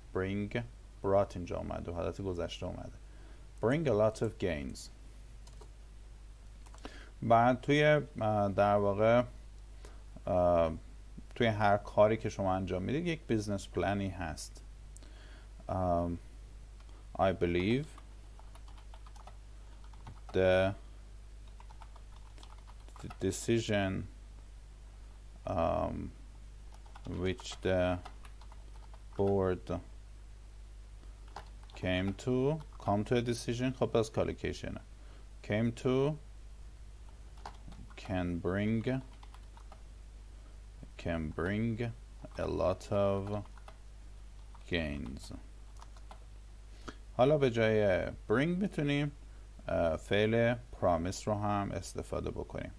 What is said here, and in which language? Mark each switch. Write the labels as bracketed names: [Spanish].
[English] Bring brought [Persian] اینجا اومد و حالت گذشته اومده. [English] Bring a lot of gains. [Persian] بعد توی در واقع توی هر کاری که شما انجام میدید یک بیزنس پلانی هست. [English] I believe the decision which the board came to can bring a lot of gains. [Persian] حالا به جای bring میتونیم فعل promise رو هم استفاده بکنیم.